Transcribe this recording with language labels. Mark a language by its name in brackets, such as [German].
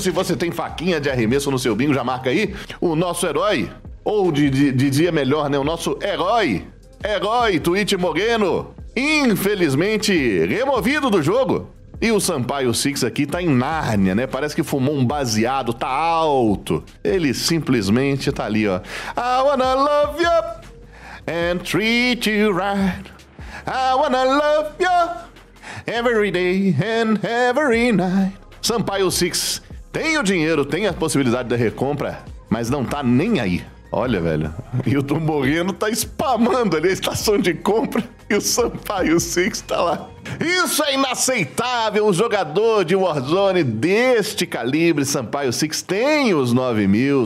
[Portuguese] Se você tem faquinha de arremesso no seu bingo, já marca aí, o nosso herói, ou dizia melhor, né, o nosso herói, Twitch Mogueno, infelizmente removido do jogo. E o Sampaio Six aqui tá em Nárnia, né? Parece que fumou um baseado, tá alto, ele simplesmente tá ali, ó. [English] I wanna love you and treat you right. I wanna love you every day and every night. [Portuguese] Sampaio Six tem o dinheiro, tem a possibilidade da recompra, mas não tá nem aí. Olha, velho. E o Tom Moreno tá spamando ali a estação de compra. E o Sampaio Six tá lá. Isso é inaceitável. Um jogador de Warzone deste calibre, Sampaio Six, tem os 9 mil.